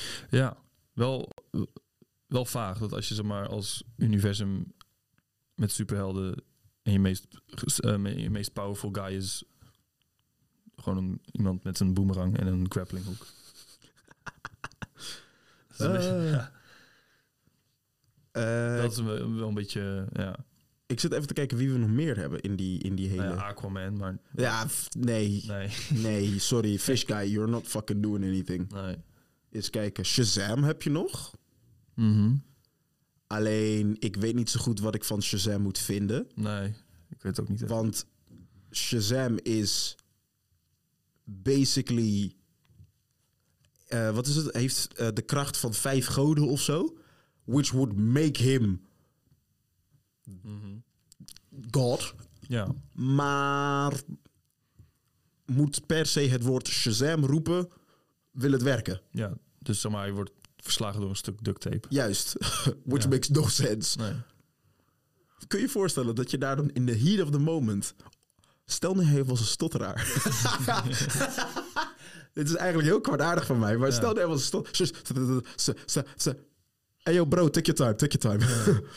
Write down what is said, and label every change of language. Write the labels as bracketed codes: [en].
[nl] Ja, wel vaag dat als je zeg maar als universum met superhelden en je meest [en] powerful guy [nl] is gewoon iemand met een boomerang en een grappling hook. Dat is wel een beetje. Ik zit even te kijken wie we nog meer hebben in die hele. Nou ja, Aquaman, maar. Ja, nee, [en] sorry, fish guy, you're not fucking doing anything. [nl] Nee. Eens kijken, Shazam heb je nog? Mhm. Alleen, ik weet niet zo goed wat ik van Shazam moet vinden. Nee, ik weet het ook niet. Echt. Want Shazam is basically... wat is het? Heeft de kracht van 5 goden of zo. [en] Which would make him... Mm-hmm. God. [nl] Ja. Maar moet per se het woord Shazam roepen, wil het werken. Ja, dus zeg maar, hij wordt verslagen door een stuk duct tape. Juist. [en] Which makes no sense. [nl] Nee. Kun je voorstellen dat je daar dan [en] in the heat of the moment... [nl] Stel nu even als een stotteraar. Dit is eigenlijk heel kwaadaardig van mij. Maar stel nu even als een stotteraar. [en] Hey yo bro, take your time, take your time.